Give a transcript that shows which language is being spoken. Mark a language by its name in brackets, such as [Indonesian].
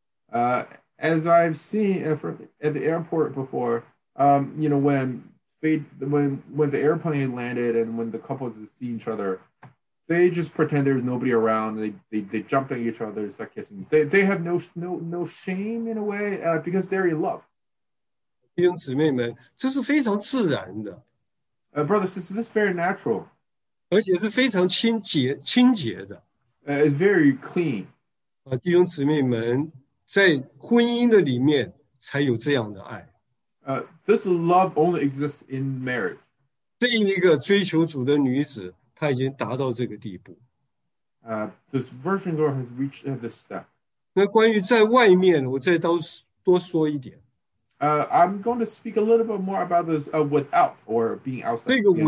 [Chinese] 他们好像周围没有人一样，跑过去就跳到人身上，哇，亲的抱着，他一点都不害羞，为什么？因为他们爱。 [English] As I've seen at the airport before, you know, when the airplane landed and when the couples see each other, they just pretend there's nobody around. They jumped at each other, start kissing. They have no shame in a way, because they're in love. [Chinese] 弟兄姊妹们，这是非常自然的。 [English] Brothers, this is very natural. [Chinese] 而且是非常清洁的。 [English] It's very clean. [Chinese] 弟兄姊妹们，在婚姻的里面才有这样的爱。 [English] This love only exists in marriage. [Chinese] 这一个追求主的女子，她已经达到这个地步。 [English] This virgin girl has reached this step. [Chinese] 那关于在外面，我再多说一点。 [English] I'm going to speak a little bit more about this without or being outside.